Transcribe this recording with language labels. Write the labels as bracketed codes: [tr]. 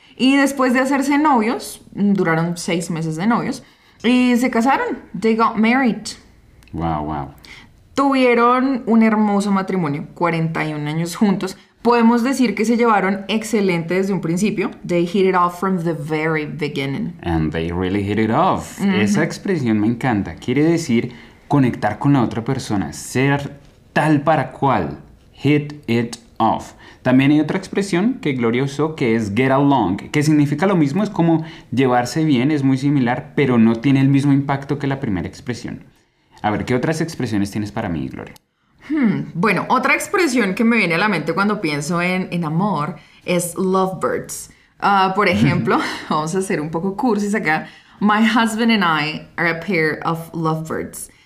[es] Y después de hacerse novios, duraron 6 meses de novios, y se casaron. [en] They got married. Wow. [es] Tuvieron un hermoso matrimonio, 41 años juntos. Podemos decir que se llevaron excelente desde un principio. [en] They hit it off from the very beginning. And they really hit it off. Mm-hmm. [es] Esa expresión me encanta. Quiere decir conectar con la otra persona, ser tal para cual. Hit it off. También hay otra expresión que Gloria usó que es get along, que significa lo mismo, es como llevarse bien, es muy similar, pero no tiene el mismo impacto que la primera expresión. A ver, ¿qué otras expresiones tienes para mí, Gloria? Bueno, otra expresión que me viene a la mente cuando pienso en amor es lovebirds. Por ejemplo, vamos a hacer un poco cursis acá. [en] My husband and I are a pair of lovebirds.